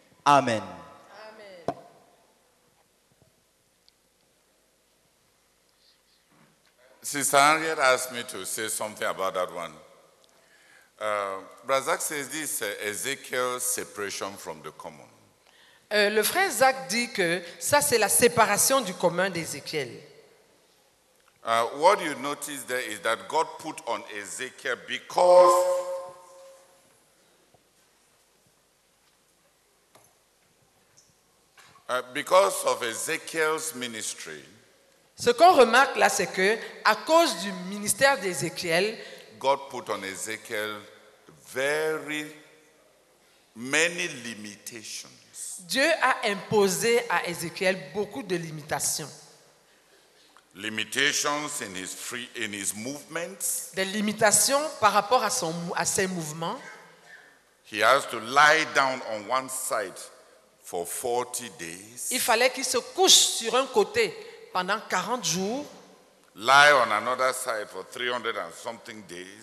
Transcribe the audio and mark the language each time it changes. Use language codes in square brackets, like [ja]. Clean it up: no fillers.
[en] Amen. Sister Harriet asked me to say something about that one. Brother Zach says this is Ezekiel's separation from the common. [fr] Le frère Zach dit que ça c'est la séparation du commun d'Ezekiel. [en] What you notice there is that God put on Ezekiel because... because of Ezekiel's ministry. [fr] Ce qu'on remarque là, c'est que à cause du ministère d'Ézéchiel, [en] God put on Ezekiel very many limitations. [fr] Dieu a imposé à Ézéchiel beaucoup de limitations. [en] Limitations in his free, in his movements. [fr] Des limitations par rapport à son, à ses mouvements. [en] He has to lie down on one side for 40 days. [fr] Il fallait qu'il se couche sur un côté pendant 40 jours. [en] Lie on another side for 300 and something days.